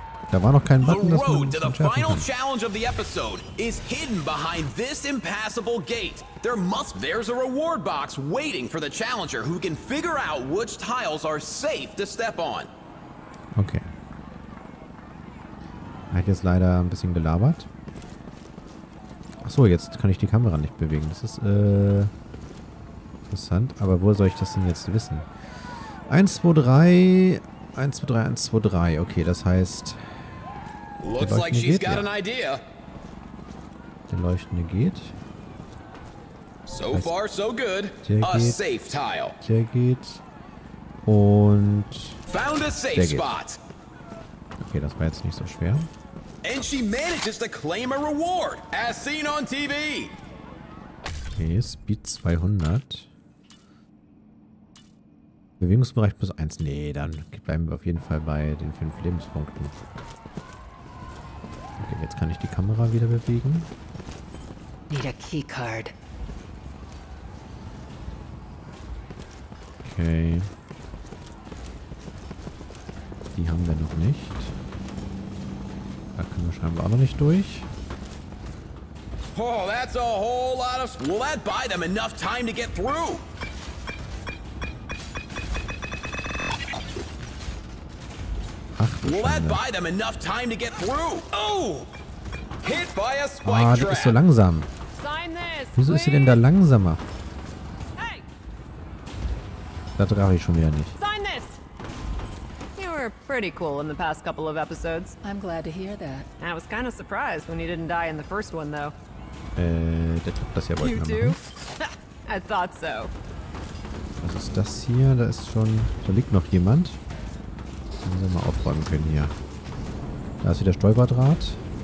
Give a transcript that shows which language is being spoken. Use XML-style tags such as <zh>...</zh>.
<de>Da war noch kein Button, das man zum Schärfen kann.</de> <en>Challenge of the episode is hidden behind this impassable gate. There's a reward box waiting for the challenger who can figure out which tiles are safe to step on. Okay.</en> <de>Hat jetzt leider ein bisschen gelabert. Achso, jetzt kann ich die Kamera nicht bewegen. Das ist interessant. Aber wo soll ich das denn jetzt wissen? 1, 2, 3. 1, 2, 3, 1, 2, 3. Okay, das heißt. Der Leuchtende geht, ja. Der Leuchtende geht.</de> <en>So far, so good.</en> <de>Der geht.</de> <en>A safe tile.</en> <de>Der geht. Und.</de> <en>Found a safe spot.</en> <de>Okay, das war jetzt nicht so schwer.</de> <en>And she manages to claim a reward, as seen on TV.</en> <de>Okay, Speed 200. Bewegungsbereich plus 1. Nee, dann bleiben wir auf jeden Fall bei den 5 Lebenspunkten. Okay, jetzt kann ich die Kamera wieder bewegen.</de> <en>Need a keycard. Okay.</en> <de>Die haben wir noch nicht. Da können wir scheinbar auch noch nicht durch.</de> <en>Oh, that's a whole lot of. Will that buy them enough time to get through?</en> <de>Ach, du</de> <en>will that buy them enough time to get through? Oh! Hit by a spike. Ah, die ist so langsam. Wieso ist sie denn da langsamer? Da traf ich schon wieder nicht. Sign this. You were pretty cool in the past couple of episodes. I'm glad to hear that. I was kind of surprised when you didn't die in the first one, though.</en> <de>Der Trip, das hier wollte ich</de> <en>machen. I thought so.</en> <de>Was ist das hier? Da ist schon, da liegt noch jemand. Müssen wir mal aufräumen können hier. Da ist wieder Stolperdraht.</de>